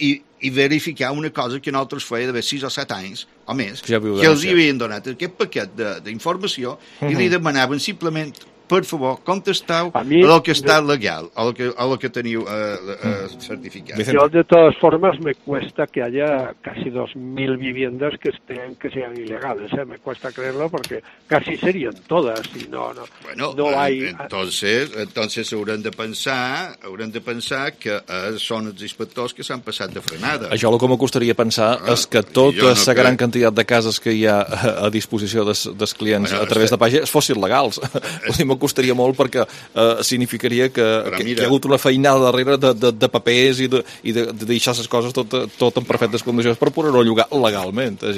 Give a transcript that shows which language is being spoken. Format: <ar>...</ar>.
<ca>i verificar una cosa que nosaltres feia d'haver 6 o 7 anys o més, que els hi havien donat aquest paquet d'informació i li demanaven simplement, per favor, contestau a lo que està legal, a lo que teniu certificat.</ca> <es>Jo, de totes formes, me cuesta que haya casi 2.000 viviendas que sean ilegales, ¿eh? Me cuesta creerlo porque casi serían todas y no hay...</es> <ca>Entonces haurem de pensar que són els inspectors que s'han passat de frenada. Això el que m'acostaria a pensar és que tota la gran quantitat de cases que hi ha a disposició dels clients a través de pàgines fossin legals. Costaria molt perquè significaria que hi ha hagut una feinada darrere de papers i de deixar les coses tot en perfectes condicions per poder-ho llogar legalment.</ca>